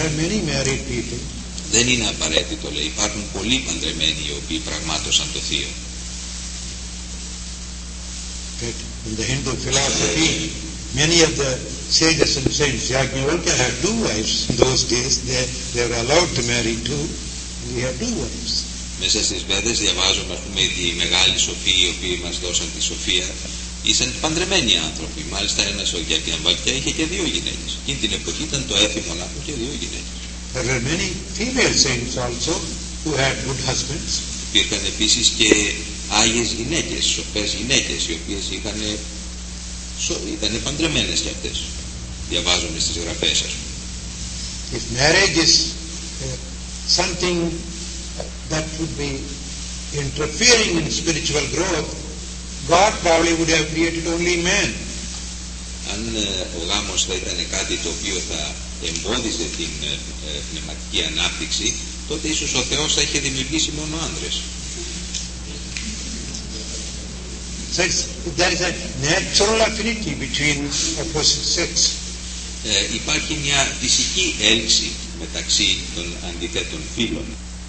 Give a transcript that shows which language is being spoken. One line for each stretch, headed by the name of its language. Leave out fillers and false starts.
Greek: Δεν είναι απαραίτητο, λέει, υπάρχουν πολλοί παντρεμένοι οι οποίοι πραγμάτωσαν το Θείο.
English: In the Hindu philosophy, many of the sages and saints, Yajnavalkya had two wives in those days. They were allowed to marry two. And he had two wives.
Greek: Μέσα στις Βέδες διαβάζουμε, ας πούμε, οι μεγάλοι σοφοί οι οποίοι μας δώσαν τη σοφία. Ήσαν παντρεμένοι άνθρωποι. Μάλιστα ένας ο Γιατιαμβαλκιά είχε και δύο γυναίκες. Εκείνη την εποχή ήταν το έθιμο να έχουν και δύο γυναίκες.
English: There were many female saints also who had good husbands.
Greek: Υπήρχαν επίσης και άγιες γυναίκες, σοφές γυναίκες, οι οποίες είχαν ήταν παντρεμένες κι αυτές. Διαβάζομαι στις γραφές σας.
English: If marriage is something that would be interfering in spiritual growth, God probably would have created only men.
Greek: Αν ο γάμος θα ήταν κάτι το οποίο θα εμπόδιζε την πνευματική ανάπτυξη, τότε ίσως ο Θεός θα είχε δημιουργήσει μόνο άνδρες.
English: So there is a natural affinity between opposite sex.
Greek: Υπάρχει μια φυσική έλξη μεταξύ των αντιθέτων φύλων.